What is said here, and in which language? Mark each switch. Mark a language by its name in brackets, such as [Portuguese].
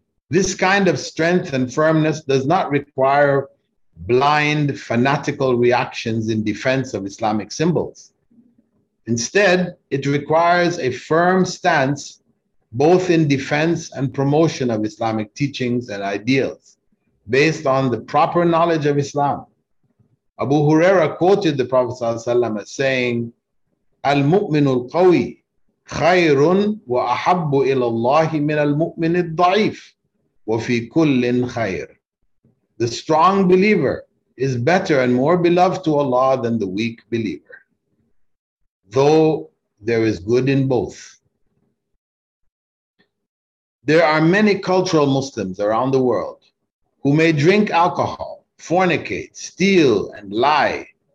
[English] This kind of strength and firmness does not require blind, fanatical reactions in defense of Islamic symbols. Instead, it requires a firm stance, both in defense and promotion of Islamic teachings and ideals, based on the proper knowledge of Islam. Abu Huraira quoted the Prophet ﷺ as saying, [Arabic] المؤمن القوي خير وأحب إلى الله من المؤمن الضعيف وفي كل خير. [English] The strong believer is better and more beloved to Allah than the weak believer, though there is good in both. There are many cultural Muslims around the world who may drink alcohol, fornicate, steal, and lie.